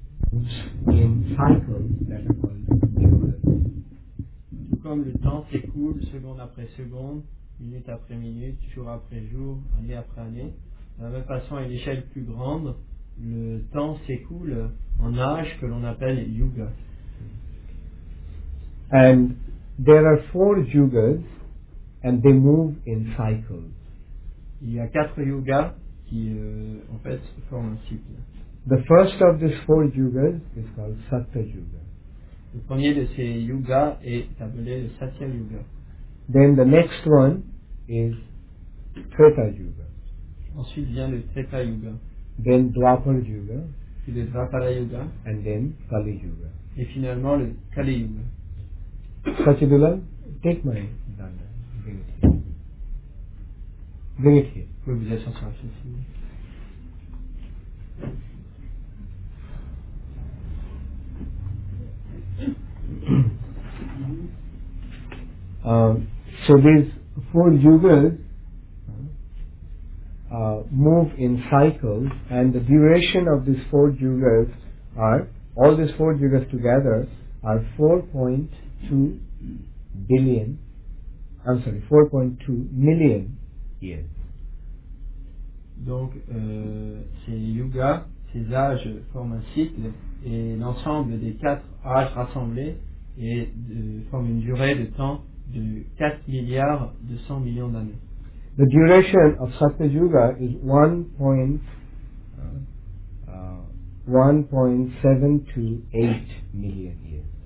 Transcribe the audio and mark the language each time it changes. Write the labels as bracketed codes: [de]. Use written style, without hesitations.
[en] change in cycles that are going to be developed. [fr] Comme le temps s'écoule, seconde après seconde, minute après minute, jour après jour, année après année, de la même façon à une échelle plus grande, le temps s'écoule en âge que l'on appelle yuga. [en] And there are four yugas, and they move in cycles. [fr] Il y a quatre yugas qui, en fait, forment un cycle. [en] The first of these four yugas is called Satya Yuga. [fr] Le premier de ces yugas est appelé le Satya Yuga. [en] Then the next one is Treta Yuga. [fr] Ensuite vient le Treta Yuga. [en] Then Dwapara Yuga. [fr] Puis le Dwapara Yuga. [en] And then Kali Yuga. [fr] Et finalement le Kali Yuga. [en] Sachidula, take my danda. Bring it here. Bring it here. [fr] Oui, vous êtes sur la chaise. [en] So these four yugas move in cycles, and the duration of these four yugas are, all these four yugas together are 4.2 billion, I'm sorry, 4.2 million years. [fr] Donc, ces yugas, ces âges forment un cycle, et l'ensemble des quatre âges rassemblés et forment une durée de temps de 4 milliards 200 millions d'années. [en] The duration of Satya Yuga is 1.728 million years.